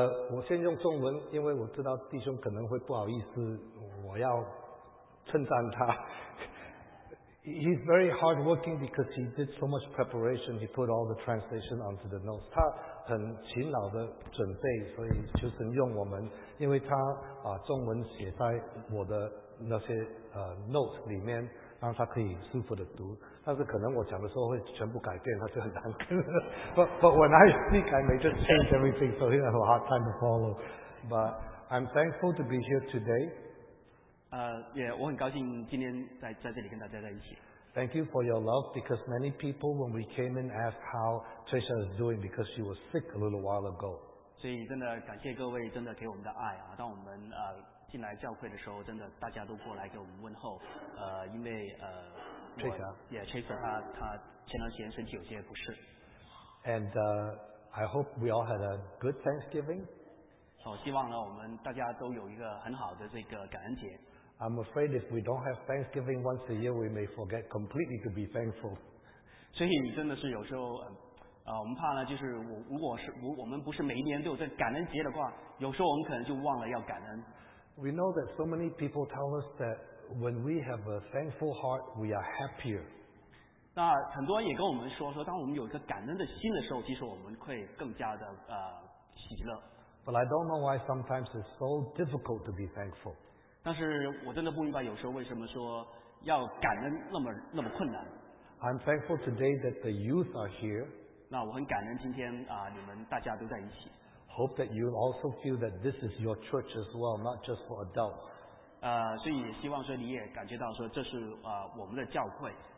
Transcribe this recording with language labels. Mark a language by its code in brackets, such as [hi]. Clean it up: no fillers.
[zh] 我先用中文，因为我知道弟兄可能会不好意思，我要称赞他。 [en] He's very hardworking because he did so much preparation. He put all the translation onto the notes. [zh] 他很勤劳的准备，所以求神用我们，因为他把中文写在我的那些notes 里面，让他可以舒服的读。但是可能我讲的时候会全部改变，他就很难跟。 [en] But when I speak, I may just change everything, so he has a hard time to follow. But I'm thankful to be here today. [zh] 我很高兴今天在这里跟大家在一起。 [en] Thank you for your love, because many people when we came in asked how Tricia is doing because she was sick a little while ago. [zh] 所以真的感谢各位真的给我们的爱啊，当我们进来教会的时候，真的大家都过来给我们问候，因为 [en] Tracer [zh] 他前段时间身体有些不适。 [en] And I hope we all had a good Thanksgiving. [zh] 希望呢，我们大家都有一个很好的这个感恩节。 [en] I'm afraid if we don't have Thanksgiving once a year, we may forget completely to be thankful. [zh] 所以真的是有时候，我们怕呢，就是如果我们不是每一年都有这感恩节的话，有时候我们可能就忘了要感恩。 [en] We know that so many people tell us that when we have a thankful heart, we are happier. [zh] 那很多人也跟我们说，当我们有一个感恩的心的时候，其实我们会更加的喜乐。 [en] But I don't know why sometimes it's so difficult to be thankful. [zh] 但是我真的不明白，有时候为什么说要感恩那么困难。 [en] I'm thankful today that the youth are here. [zh] 那我很感恩今天你们大家都在一起。 [en] Hope that you also feel that this is your church as well, not just for adults. [zh] 所以希望说你也感觉到说这是我们的教会。